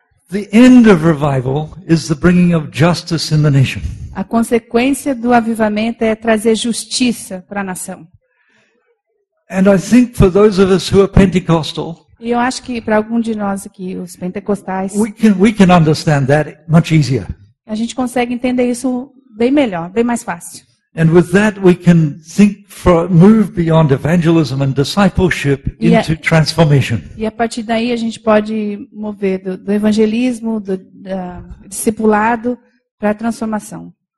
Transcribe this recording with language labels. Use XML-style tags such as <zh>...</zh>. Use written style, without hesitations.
<en>The end of revival is the bringing of justice in the nation.</en> <pt>A consequência do avivamento é trazer justiça para a nação.</pt> <en>And I think for those of us who are Pentecostal,</en> <pt>e eu acho que para algum de nós aqui, os pentecostais,</pt> <en>we can understand that much easier.</en> <pt>A gente consegue entender isso bem melhor, bem mais fácil.</pt> <en>And with that we can think for move beyond evangelism and discipleship into transformation.</en> <pt>E a partir daí a gente pode mover do evangelismo, do discipulado para a transformação.</pt>